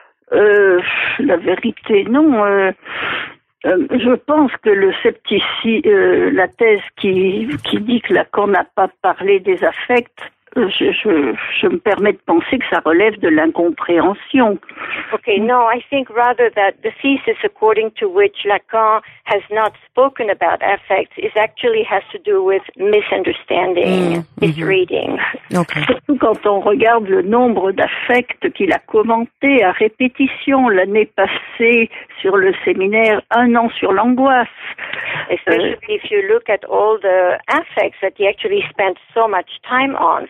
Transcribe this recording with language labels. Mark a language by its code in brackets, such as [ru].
[fr] La vérité, non. Je pense que le scepticisme, la thèse qui dit que Lacan n'a pas parlé des affects, je me permets de penser que ça relève de l'incompréhension. [en] Okay, no, I think rather that the thesis according to which Lacan has not spoken about affects is actually has to do with misunderstanding, misreading. Okay. [fr] Surtout quand on regarde le nombre d'affects qu'il a commenté à répétition l'année passée sur le séminaire un an sur l'angoisse. [en] Especially if you look at all the affects that he actually spent so much time on.